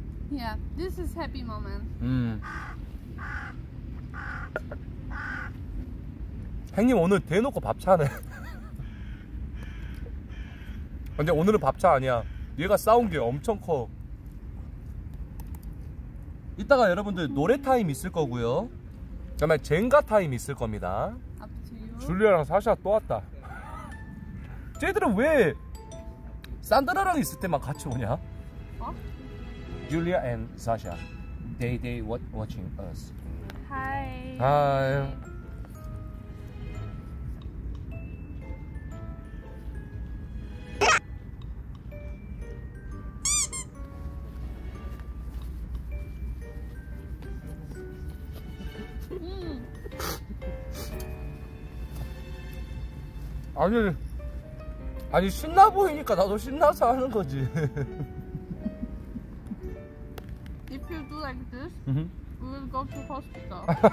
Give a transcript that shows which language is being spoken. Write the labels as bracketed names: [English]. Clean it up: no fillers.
[English] Yeah, this is happy moment. [Korean] 형님 오늘 대놓고 밥 차네. 근데 오늘은 밥 차 아니야. 얘가 싸운 게 엄청 커. 이따가 여러분들 노래 타임 있을 거고요. 그다음에 젠가 타임 있을 겁니다. 줄리아랑 사샤 또 왔다. 쟤들은 왜 산드라랑 있을 때만 같이 오냐? 어? [English] Julia and Sasha. They watching us. Hi. Hi. [Korean] 아니 신나 보이니까 나도 신나서 하는 거지. [English] If you do like this, we will go to hospital.